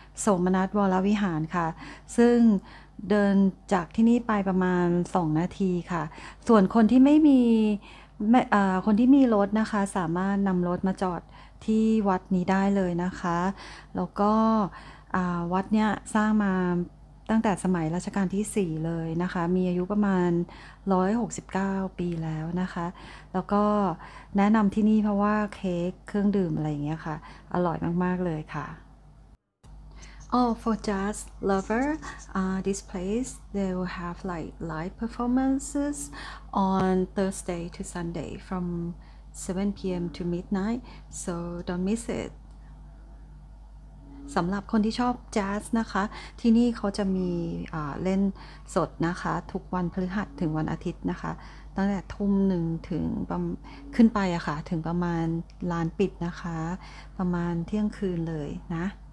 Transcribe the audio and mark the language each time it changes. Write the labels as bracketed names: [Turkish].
[Thai] โสมนัสวรวิหารค่ะซึ่งเดินจากที่นี่ไปประมาณ2นาทีค่ะส่วนคนที่ไม่มีคนที่มีรถนะคะสามารถนำรถมาจอดที่วัดนี้ได้เลยนะคะแล้วก็วัดเนี้ยสร้างมาตั้งแต่สมัยรัชกาลที่4เลยนะคะมีอายุประมาณ169ปีแล้วนะคะแล้วก็แนะนำที่นี่เพราะว่าเค้กเครื่องดื่มอะไรอย่างเงี้ยค่ะอร่อยมากๆเลยค่ะ [English] Oh, for jazz lover, this place, they will have like live performances on Thursday to Sunday from 7 p.m. to midnight, so don't miss it. [Thai] สำหรับคนที่ชอบแจ๊สนะคะที่นี่เขาจะมีเล่นสดนะคะทุกวันพฤหัสถึงวันอาทิตย์นะคะตั้งแต่ทุ่มหนึ่งถึงขึ้นไปอะค่ะถึงประมาณลานปิดนะคะประมาณเที่ยงคืนเลยนะ